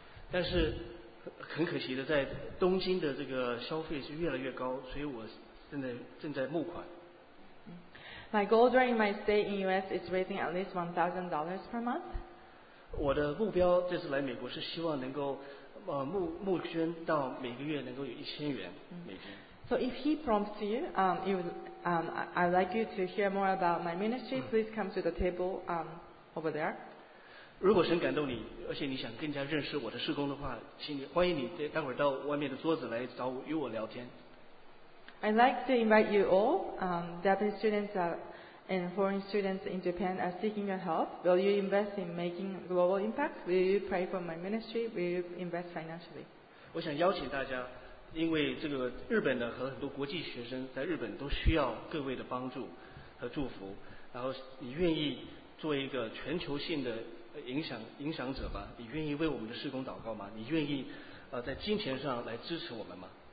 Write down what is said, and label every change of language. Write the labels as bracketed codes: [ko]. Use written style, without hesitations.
[zh] 但是很可惜的，在东京的这个消费是越来越高，所以我正在募款。 [en] My goal during my stay in US is raising at least $1,000 per month. [zh] 我的目标这次来美国是希望能够募捐到每个月能够有1000元美金。 [en] So if he prompts you, I'd like you to hear more about my ministry. Please come to the table over there. [zh] 如果神感动你，而且你想更加认识我的事工的话，请你欢迎你待会儿到外面的桌子来找我与我聊天。 [en] I'd like to invite you all, Japanese students and foreign students in Japan are seeking your help. Will you invest in making global impact? Will you pray for my ministry? Will you invest financially? [zh] 我想邀请大家，因为这个日本的和很多国际学生在日本都需要各位的帮助和祝福，然后你愿意做一个全球性的影响者吗？你愿意为我们的事工祷告吗？你愿意在金钱上来支持我们吗？